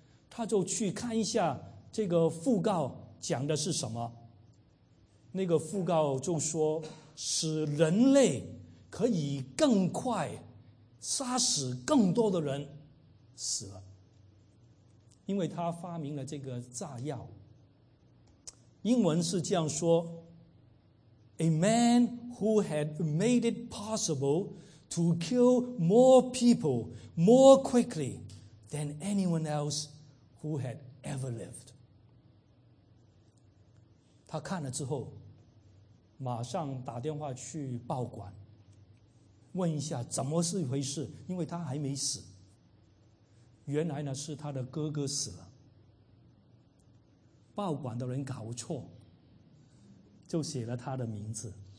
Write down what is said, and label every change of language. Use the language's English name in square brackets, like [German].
[Chinese] 他就去看一下这个讣告讲的是什么。那个讣告就说使人类可以更快杀死更多的人死了，因为他发明了这个炸药。英文是这样说 [English] A man who had made it possible to kill more people more quickly than anyone else who had ever lived. [Chinese] 他看了之后马上打电话去报馆问一下怎么是一回事，因为他还没死。原来呢是他的哥哥死了。报馆的人搞错，就写了他的名字。